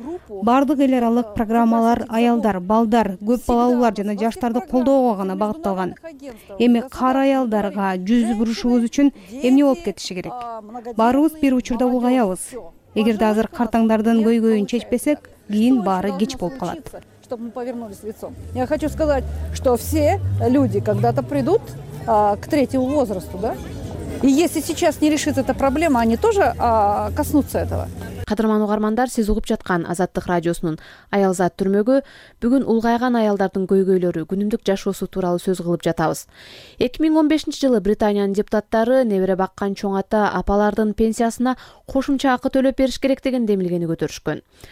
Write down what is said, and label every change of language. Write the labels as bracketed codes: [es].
[ky] Бардык эл аралык программалар аялдар, балдар, көп балалуулар жана жаштарды колдоого гана багытталган. Эми кар аялдарга жүз бурушубуз үчүн эмне болуп кетиши керек? Баарыбыз бир учурда улгаябыз. Эгерде азыр картаңдардын көйгөйүн чечпесек, кийин баары кеч болуп калат. [ru] Чтобы мы повернулись лицом. Я хочу сказать, что все люди когда-то придут к третьему возрасту, да? И если сейчас не решится эта проблема, они тоже коснутся этого. [ky] Кадырман угармандар, сиз угуп жаткан Азаттык радиосунун аялзат түрмөгү, бүгүн улгайган аялдардын көйгөйлөрү, күнүмдүк жашоосу тууралуу сөз кылып жатабыз. 2015 жылы Британиянын депутаттары небере баккан чоң ата апалардын пенсиясына кошумча акы төлөп бериш керек деген демилгени көтөрүшкөн.